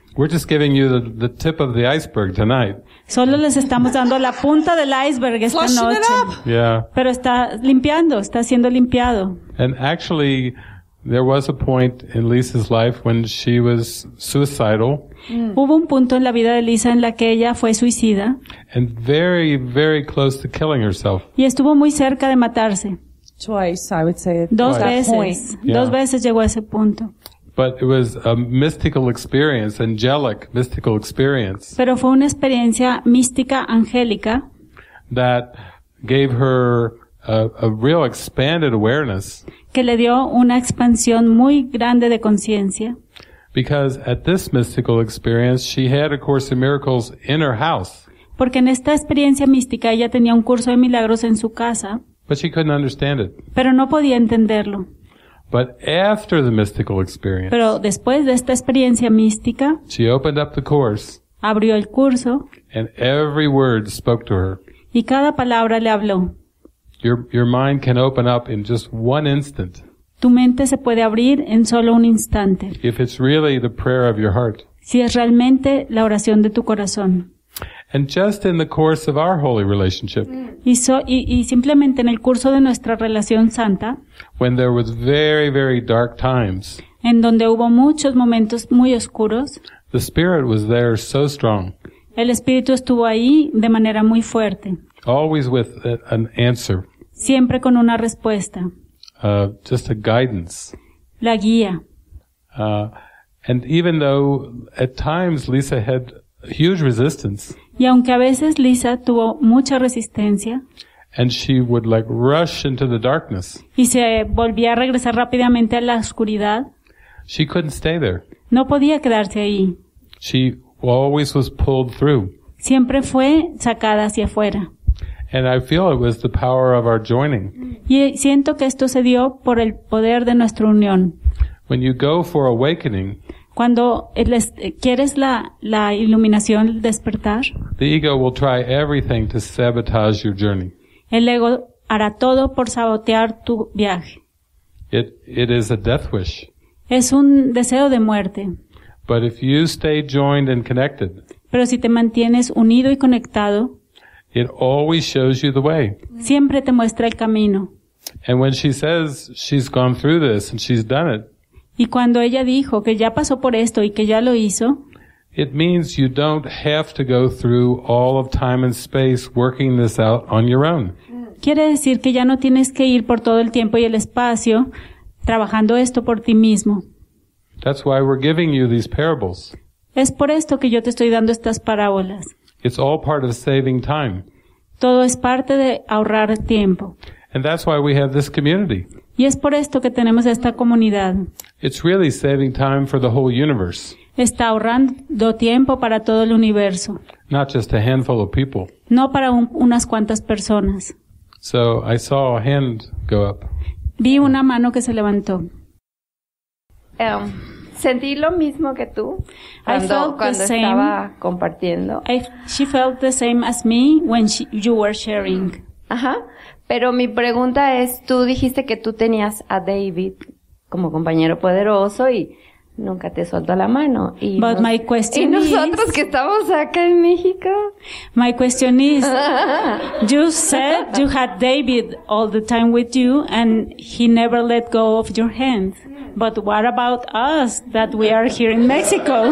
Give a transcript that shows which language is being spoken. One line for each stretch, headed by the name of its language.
English: We're just giving you the tip of the iceberg tonight.
Spanish: Solo les estamos dando la punta del iceberg esta
English: flushing
Spanish: noche.
English: It up. Yeah.
Spanish: Pero está limpiando, está siendo limpiado.
English: And actually, there was a point in Lisa's life when she was suicidal. Mm.
Spanish: Hubo un punto en la vida de Lisa en la que ella fue suicida.
English: And very, very close to killing herself.
Spanish: Y estuvo muy cerca de matarse.
English: Twice, I would say.
Spanish: Dos veces. Yeah. Dos veces llegó a ese punto.
English: But it was a mystical experience, angelic mystical experience.
Spanish: Pero fue una experiencia mística angélica.
English: That gave her a real expanded awareness.
Spanish: Que le dio una expansión muy grande de conciencia.
English: Because at this mystical experience, she had A Course in Miracles in her house.
Spanish: Porque en esta experiencia mística ella tenía un curso de milagros en su casa.
English: But she couldn't understand it.
Spanish: Pero no podía entenderlo.
English: But after the mystical experience,
Spanish: pero después de esta experiencia mística,
English: she opened up the course,
Spanish: abrió el curso,
English: and every word spoke to her.
Spanish: Y cada palabra le habló.
English: Your mind can open up in just one instant.
Spanish: Tu mente se puede abrir en solo un instante.
English: If it's really the prayer of your heart.
Spanish: Si es realmente la oración de tu corazón.
English: And just in the course of our holy relationship.
Spanish: Y simplemente en el curso de nuestra relación santa.
English: When there was very, very dark times.
Spanish: En donde hubo muchos momentos muy oscuros.
English: The spirit was there so strong.
Spanish: El espíritu estuvo ahí de manera muy fuerte.
English: Always with an answer.
Spanish: Siempre con una respuesta.
English: Just a guidance.
Spanish: La guía.
English: And even though at times Lisa had huge resistance.
Spanish: Y aunque a veces Lisa tuvo mucha resistencia.
English: And she would like rush into the darkness.
Spanish: Y se volvía a regresar rápidamente a la oscuridad.
English: She couldn't stay there.
Spanish: No podía quedarse ahí.
English: She always was pulled through.
Spanish: Siempre fue sacada hacia afuera.
English: And I feel it was the power of our joining.
Spanish: Y siento que esto se dio por el poder de nuestra unión.
English: When you go for awakening,
Spanish: cuando quieres la iluminación, el despertar,
English: the ego will try everything to sabotage your journey.
Spanish: El ego hará todo por sabotear tu viaje.
English: It is a death wish.
Spanish: Es un deseo de muerte.
English: But if you stay joined and connected,
Spanish: pero si te mantienes unido y conectado,
English: it always shows you the way.
Spanish: Siempre te muestra el camino.
English: And when she says she's gone through this and she's done it,
Spanish: y cuando ella dijo que ya pasó por esto y que ya lo hizo,
English: it means you don't have to go through all of time and space working this out on your own.
Spanish: Quiere decir que ya no tienes que ir por todo el tiempo y el espacio trabajando esto por ti mismo.
English: That's why we're giving you these parables.
Spanish: Es por esto que yo te estoy dando estas parábolas.
English: It's all part of saving time.
Spanish: Todo es parte de ahorrar tiempo.
English: And that's why we have this community.
Spanish: Y es por esto que tenemos esta comunidad.
English: It's really saving time for the whole universe.
Spanish: Está ahorrando tiempo para todo el universo.
English: Not just a handful of people.
Spanish: No para unas cuantas personas.
English: So I saw a hand go up.
Spanish: Vi una mano que se levantó. Sentí lo mismo que tú cuando estaba compartiendo.
English: She felt the same as me when you were sharing. Ajá.
Spanish: Pero mi pregunta es, tú dijiste que tú tenías a David como compañero poderoso y nunca te suelta la mano. Y nosotros que estamos acá en México.
English: My question is, you said you had David all the time with you and he never let go of your hand. But what about us that we are here in Mexico?